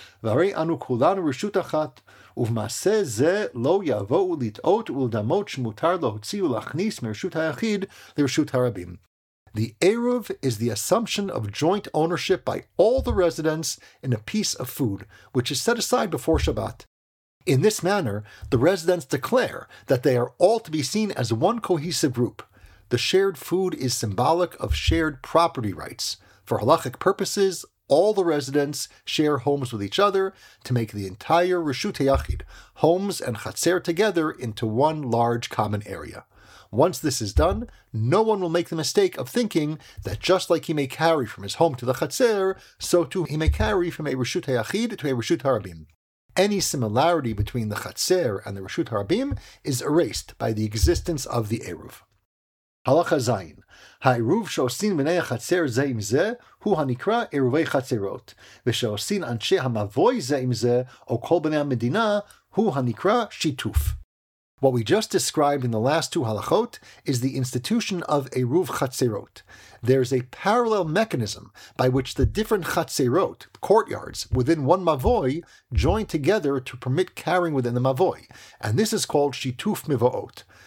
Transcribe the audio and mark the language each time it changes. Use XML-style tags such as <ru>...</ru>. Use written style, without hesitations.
<he>V'hari anu kulanu reshut achat, ובמעשה זה לא יבואו לטעות ולדמות שמותר להוציא ולהכניס מרשות היחיד לרשות הרבים.</he> <en>The Eruv is the assumption of joint ownership by all the residents in a piece of food, which is set aside before Shabbat. In this manner, the residents declare that they are all to be seen as one cohesive group. The shared food is symbolic of shared property rights. For halachic purposes, all the residents share homes with each other to make the entire Reshut Hayachid, homes and Chatzer together, into one large common area. Once this is done, no one will make the mistake of thinking that just like he may carry from his home to the Chatzer, so too he may carry from a Reshut Hayachid to a Reshut Harabim. Any similarity between the Chatzer and the Reshut Harabim is erased by the existence of the Eruv.</en> <he>Halacha Zayin. העירוב שעושים בני החצר זה עם זה הוא הנקרא עירובי חצרות, ושעושים אנשי המבוי זה עם זה או כל בני המדינה הוא הנקרא שיתוף.</he> <en>What we just described in the last two halachot is the institution of Eruv Chatzerot. There is a parallel mechanism by which the different chatzerot, courtyards, within one mavoi, join together to permit carrying within the mavoi, and this is called Shituf Mivoot.</en>